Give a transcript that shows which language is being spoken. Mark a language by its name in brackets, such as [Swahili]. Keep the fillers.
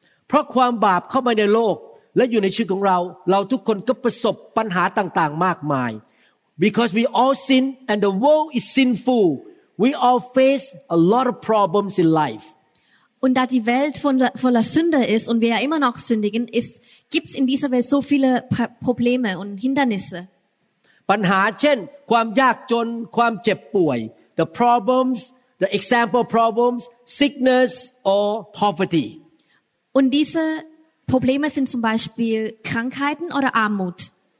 [Thai] พราะความบาปเข้ามาในโลกและอยู่ในชีวิตของเราเราทุกคนก็ประสบปัญหาต่างๆมากมาย [English] because we all sin and the world is sinful we all face a lot of problems in life [German] und da die Welt voller Sünde ist und wir ja immer noch sündigen ist gibt es in dieser Welt so viele Probleme und Hindernisse [Thai] ปัญหาเช่นความยากจน ความเจ็บป่วย [English] the problems the example problems sickness or poverty [German] Und diese Probleme sind zum Beispiel Krankheiten oder Armut.